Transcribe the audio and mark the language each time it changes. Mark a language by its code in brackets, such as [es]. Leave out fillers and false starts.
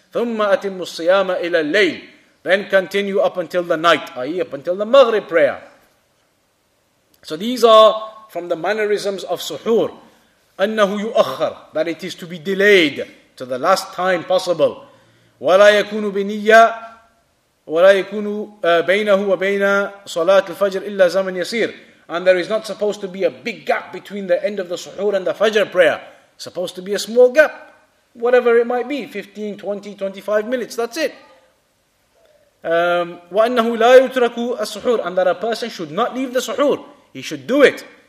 [ar] ثُمَّ أَتِمُّ الصِّيَامَ إِلَى اللَّيْلِ. [en] Then continue up until the night, i.e. up until the Maghrib prayer. So these are from the mannerisms of suhoor. [ar] أنه يؤخر, [en] that it is to be delayed to the last time possible. [ar] ولا يكون بنية ولا يكون بينه وبين صلاة الفجر إلا زمن يسير. [en] And there is not supposed to be a big gap between the end of the suhoor and the Fajr prayer. Supposed to be a small gap, whatever it might be, 15, 20, 25 minutes, that's it. [ar] وأنه لا يترك السحور. [en] And that a person should not leave the suhoor, he should do it.